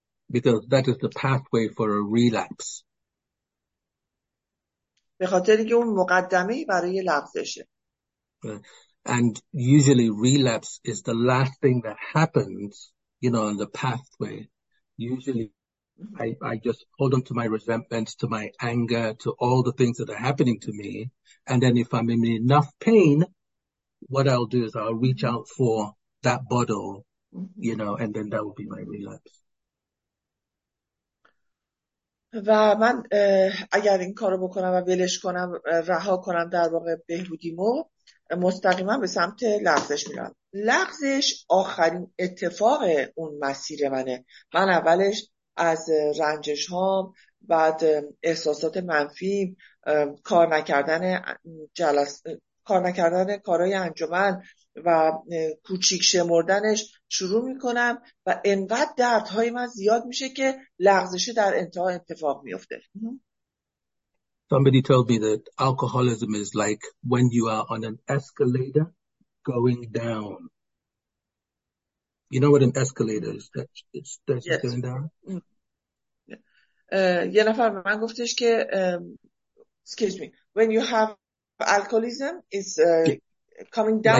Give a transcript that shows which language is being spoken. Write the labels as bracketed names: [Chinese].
[English] Because that is the pathway for a relapse. [Persian] به خاطر اینکه اون مقدمه برای لغزشه. [English] And usually relapse is the last thing that happens, you know, on the pathway. Usually I just hold on to my resentments, to my anger, to all the things that are happening to me. And then if I'm in enough pain, what I'll do is I'll reach out for that bottle, you know, and then that will be my relapse. [Persian] و من اگر این کارو بکنم و ولش کنم، رها کنم در واقع بهبودیمو، مستقیما به سمت لغزش میرم. لغزش آخرین اتفاق اون مسیر منه. من اولش از رنجش هام، بعد احساسات منفی، کار نکردن کارهای انجمن و کوچیک شمردنش شروع میکنم و انقدر دردهای من زیاد میشه که لغزشه در انتها اتفاق میفته. [English] Somebody told me that alcoholism is like when you are on an escalator going down. You know what an escalator is? That's yes. Going down. [Persian] یه نفر به من گفتش که [English] excuse me, when you have alcoholism is coming down,